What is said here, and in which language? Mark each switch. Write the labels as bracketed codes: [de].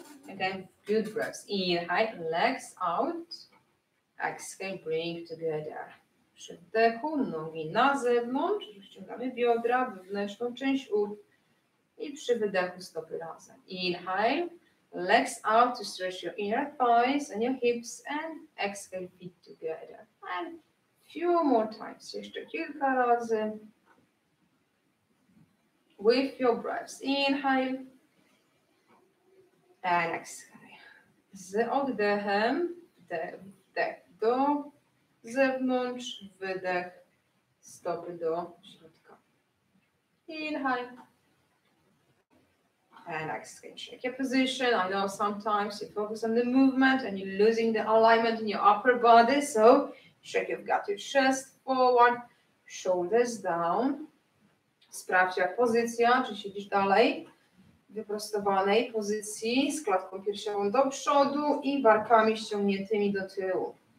[en] Again, good breaths. Inhale, legs out. Exhale, bring together. [pl] Przy wdechu, nogi na zewnątrz. Wyciągamy biodra, wewnętrzną część ud. I przy wydechu, stopy razem. [en] Inhale, legs out to stretch your inner thighs and your hips. And exhale, feet together. And few more times. [pl] Jeszcze kilka razy. [en] With your breaths. Inhale. And exhale. [pl] Z oddechem, wdech do zewnątrz, wydech, stopy do środka. [en] Inhale. And exhale. Check your position. I know sometimes you focus on the movement and you're losing the alignment in your upper body. So check you've got your chest forward, shoulders down. [pl] Sprawdź jak pozycja, czy siedzisz dalej. Wyprostowanej pozycji z klatką piersiową do przodu i barkami ściągniętymi do tyłu.